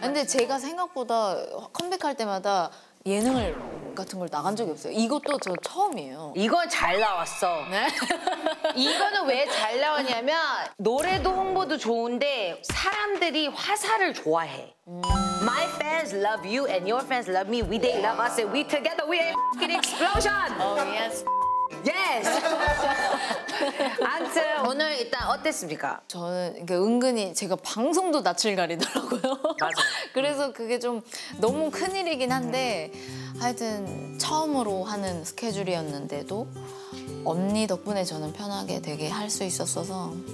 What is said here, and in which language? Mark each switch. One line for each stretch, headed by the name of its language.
Korean: 근데 제가 생각보다 컴백할 때마다 예능 같은 걸 나간 적이 없어요. 이것도 저 처음이에요. 이건 잘 나왔어. 네? 이거는 왜 잘 나왔냐면 노래도 홍보도 좋은데 사람들이 화사를 좋아해.
English: My fans love you and your fans love me. We they love us and we together we are f***ing explosion. Oh yes. Yes.
Korean: 아무튼 오늘 일단 어땠습니까? 저는 그러니까 은근히 제가 방송도 낯을 가리더라고요. 맞아. 그래서 그게 좀 너무 큰일이긴 한데 하여튼 처음으로 하는 스케줄이었는데도 언니 덕분에 저는 편하게 되게 할 수 있었어서.